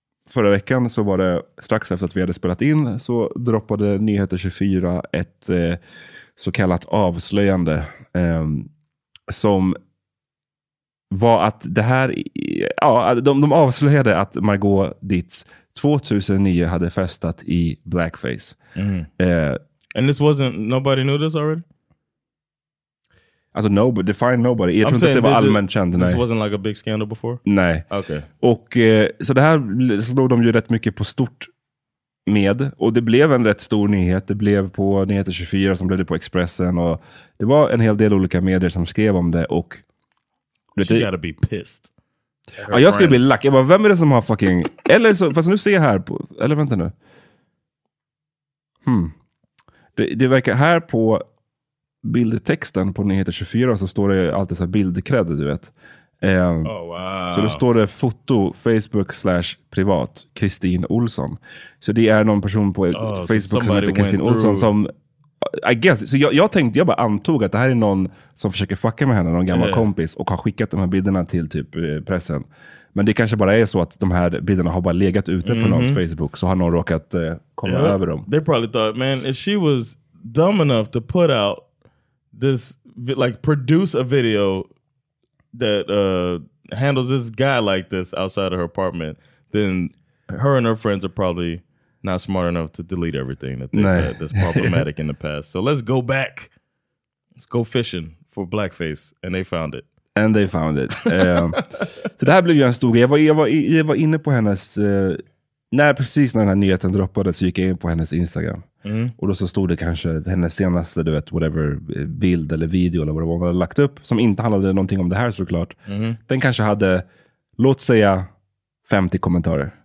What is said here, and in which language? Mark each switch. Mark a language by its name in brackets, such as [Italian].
[Swedish] förra veckan så var det strax efter att vi hade spelat in, så droppade Nyheter 24 ett så kallat avslöjande som var att det här, ja, de avslöjade att Margot Dietz 2009 hade festat i blackface. [English] And this wasn't, nobody knew this already? Alltså, nobody, define nobody. [Swedish] Jag tror inte att det var allmänt känd. [English] This [Swedish] nej. [English] Wasn't like a big scandal before? [Swedish] Nej. [English] Okay. [Swedish] Och så det här slog de ju rätt mycket på stort med. Och det blev en rätt stor nyhet. Det blev på Nyheter 24, som blev det på Expressen. Och det var en hel del olika medier som skrev om det. Och [English] she det, gotta be pissed. [Swedish] Ja, jag skulle bli lack. Jag bara, vem är det som har fucking... eller så, fast nu ser jag här på... eller vänta nu. Det verkar här på bildtexten på Nyheter 24 så står det alltid så här bildkred, du vet. [English] Oh, wow. [Swedish] Så då står det foto Facebook / privat Kristin Olsson. Så det är någon person på Facebook som heter Kristin Olsson som... [English] I guess. [Swedish] Så jag tänkte, jag bara antog att det här är någon som försöker fucka med henne, någon gammal kompis, och har skickat de här bilderna till typ pressen. Men det kanske bara är så att de här bilderna har bara legat ute på någons Facebook, så har någon råkat komma över dem. [English] They probably thought, man, if she was dumb enough to put out this, like produce a video that handles this guy like this outside of her apartment, then her and her friends are probably... not smart enough to delete everything that they had that's problematic in the past. So let's go back. Let's go fishing for blackface. And they found it. And they found it. [Swedish] så det här blev ju en stor grej. Jag var inne på hennes... precis när den här nyheten droppade, så gick jag in på hennes Instagram. Och då så stod det kanske hennes senaste, du vet, whatever, bild eller video eller vad hon hade lagt upp. Som inte handlade någonting om det här, såklart. Den kanske hade, låt säga, 50 kommentarer.